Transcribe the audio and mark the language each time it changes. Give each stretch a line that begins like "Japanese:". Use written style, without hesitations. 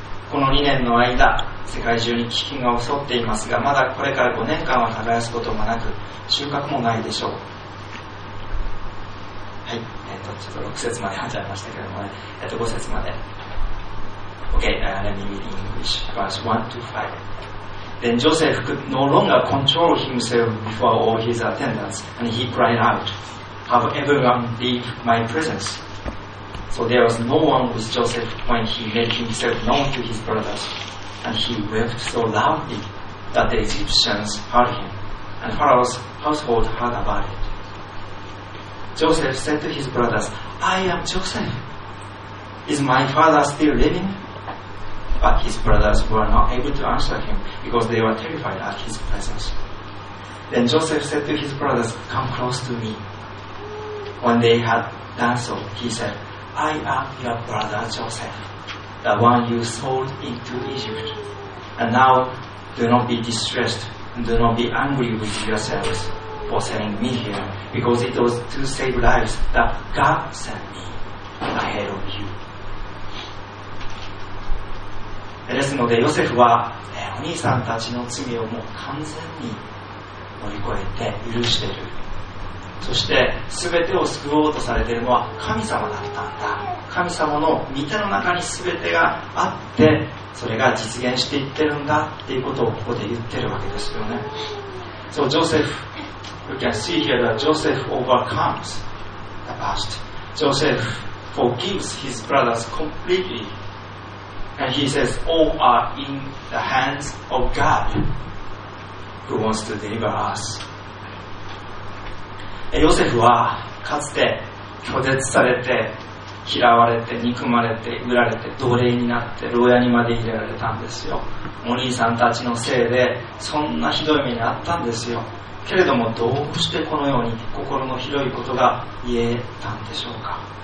Japanese: この2年の間世界中に飢饉が襲っていますが、まだこれから5年間は耕すこともなく収穫もないでしょう。はい、ちょっと6節まで読んじゃいましたけども、ね、5節まで。
English: OK、let me read English verse 1 to 5. Then Joseph could no longer control himself before all his attendants, and he cried out, Have everyone leave my presence? So there was no one with Joseph when he made himself known to his brothers. And he wept so loudly that the Egyptians heard him, and Pharaoh's household heard about it. Joseph said to his brothers, I am Joseph. Is my father still living? But his brothers were not able to answer him because they were terrified at his presence. Then Joseph said to his brothers, Come close to me. When they had done so, he said,I am your brother Joseph, the one you sold into Egypt. And now, do not be distressed, and do not be angry with yourselves for selling me here, because it was to save lives that God sent me ahead of you.
Japanese: ですので、ヨセフはお兄さんたちの罪をもう完全に乗り越えて許している。そして全てを救おうとされているのは神様だったんだ。神様の御手の中に全てがあって、それが実現していってるんだっていうことをここで言ってるわけですよね。
English: So Joseph, you can see here that Joseph overcomes the past. Joseph forgives his brothers completely. And he says, all are in the hands of God who wants to deliver us.
Japanese: ヨセフはかつて拒絶されて嫌われて憎まれて売られて奴隷になって牢屋にまで入れられたんですよ。お兄さんたちのせいでそんなひどい目にあったんですよ。けれども、どうしてこのように心の広いことが言えたんでしょうか。